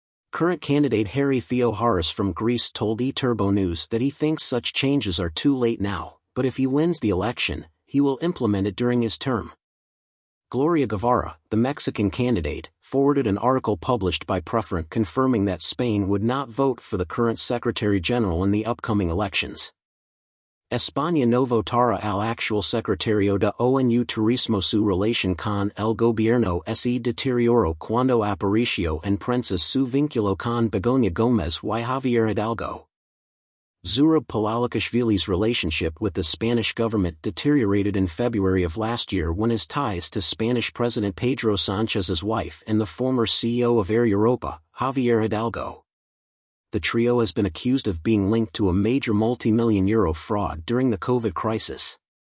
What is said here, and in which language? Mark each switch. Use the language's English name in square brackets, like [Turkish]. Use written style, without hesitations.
[English] Current candidate Harry Theoharis from Greece told eTurbo News that he thinks such changes are too late now, but if he wins the election, he will implement it during his term. Gloria Guevara, the Mexican candidate, forwarded an article published by Preferent confirming that Spain would not vote for the current Secretary General in the upcoming elections. [Spanish] España no votará al actual Secretario de ONU Turismo su relación con el gobierno se deterioró cuando apareció en prensa su vínculo con Begoña Gómez y Javier Hidalgo. [English] Zurab Palalakashvili's relationship with the Spanish government deteriorated in February of last year when his ties to Spanish President Pedro Sánchez's wife and the former CEO of Air Europa, Javier Hidalgo. The trio has been accused of being linked to a major multi-million euro fraud during the COVID crisis.